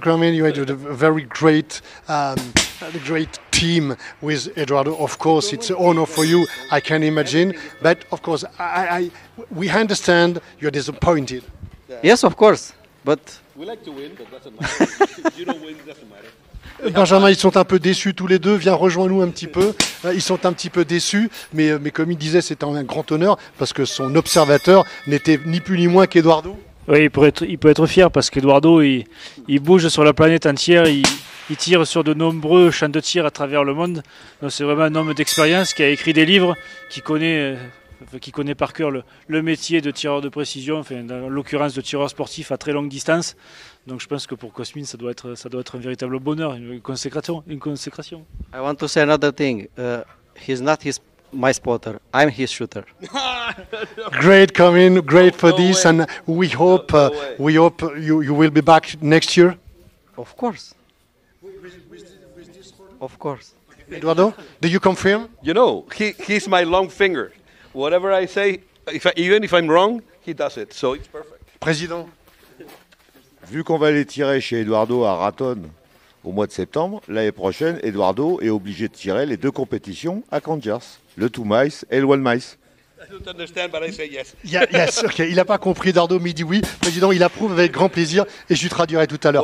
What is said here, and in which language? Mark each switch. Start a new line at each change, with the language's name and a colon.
English: I mean, you had a very great great team with Eduardo. Of course, it's an honor for you, I can imagine. But, of course, we understand you're disappointed. Yes, of course. But we like to win, but that doesn't matter. If you don't win, it doesn't matter.
French: Benjamin, ils sont un peu déçus tous les deux. Viens, rejoins-nous un petit peu. Ils sont un petit peu déçus, mais comme il disait, c'est un grand honneur parce que son observateur n'était ni plus ni moins qu'Eduardo. Oui, il peut être fier parce qu'Eduardo, il bouge sur la planète entière. Il tire sur de nombreux champs de tir à travers le monde. Donc c'est vraiment un homme d'expérience qui a écrit des livres, qui connaît par cœur le métier de tireur de précision, enfin, dans l'occurrence de tireur sportif à très longue distance. Donc je pense que pour Cosmin, ça doit être un véritable bonheur, une consécration.
English: I want to say another thing. He's not his my spotter. I'm his shooter. Great coming, great for no this, way. And we hope we hope you will be back next year. Of course. With this of course. Eduardo, do you confirm? You know, he's my long finger. Whatever I say, even if I'm wrong, he does it. So it's perfect.
French: Président. Vu qu'on va aller tirer chez Eduardo à Raton au mois de septembre, l'année prochaine, Eduardo est obligé de tirer les deux compétitions à Kangers, le 2 Mice et le 1 Mice. Je ne comprends pas, mais je dis oui. Oui, il n'a pas compris, Eduardo, mais il dit oui. Président, il approuve avec grand plaisir et je lui traduirai tout à l'heure.